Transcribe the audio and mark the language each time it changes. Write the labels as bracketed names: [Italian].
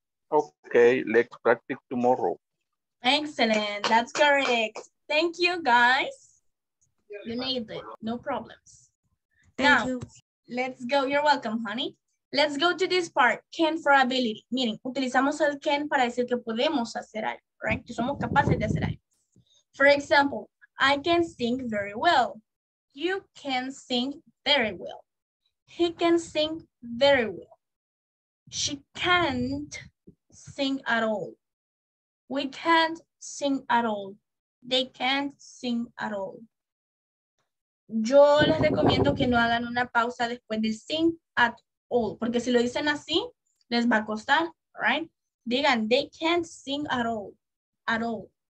[English] Okay, let's practice tomorrow. Excellent, that's correct. Thank you, guys. You made it, no problems. Thank you. Let's go, you're welcome, honey. Let's go to this part, can for ability. [Spanish] Miren, utilizamos el can para decir que podemos hacer algo, right? Que somos capaces de hacer algo. [English] For example, I can sing very well. You can sing very well. He can sing very well. She can't sing at all. We can't sing at all. They can't sing at all. [Spanish] Yo les recomiendo que no hagan una pausa después del [English] sing at all, [Spanish] porque si lo dicen así, les va a costar, right? [English] Digan, they can't sing at all, at all.